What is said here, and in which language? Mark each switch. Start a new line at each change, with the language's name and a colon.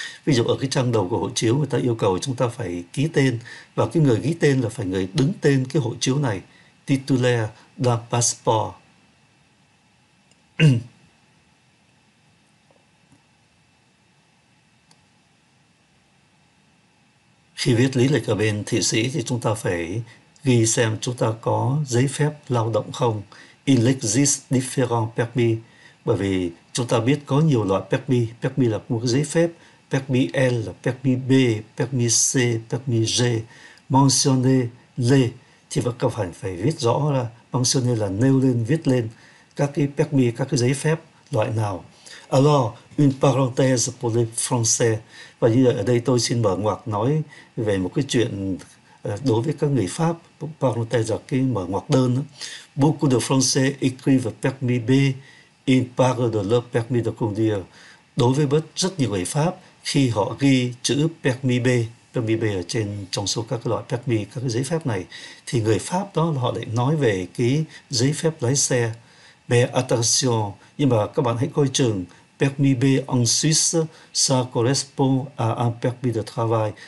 Vietnamese: Ví dụ ở cái trang đầu của hộ chiếu, người ta yêu cầu chúng ta phải ký tên, và cái người ký tên là phải người đứng tên cái hộ chiếu này,
French: titulaire de passeport.
Vietnamese: Khi viết lý lịch ở bên Thụy Sĩ thì chúng ta phải ghi xem chúng ta có giấy phép lao động không.
French: Il existe différents permis.
Vietnamese: Bởi vì chúng ta biết có nhiều loại permis. Permis là một giấy phép.
French: Permis L, permis B, permis C, permis G. Mentionner les.
Vietnamese: Thì vẫn cần phải viết rõ là mentionner là nêu lên, viết lên các cái permis, các cái giấy phép loại nào.
French: Alors, une parenthèse pour les Français.
Vietnamese: Và như vậy, ở đây tôi xin mở ngoặc nói về một cái chuyện đối với các người Pháp.
French: Parenthèse
Vietnamese: là cái mở ngoặc đơn.
French: Beaucoup de Français écrivent permis B, ils parlent de leur permis de conduire.
Vietnamese: Đối với rất nhiều người Pháp khi họ ghi chữ
French: permis B, permis B ở trên trong số các loại permis, các giấy phép này, thì người Pháp đó họ lại nói về cái giấy phép lái xe, permis, nhưng mà các bạn hãy coi chừng, permis B en Suisse, ça correspond à un permis de travail.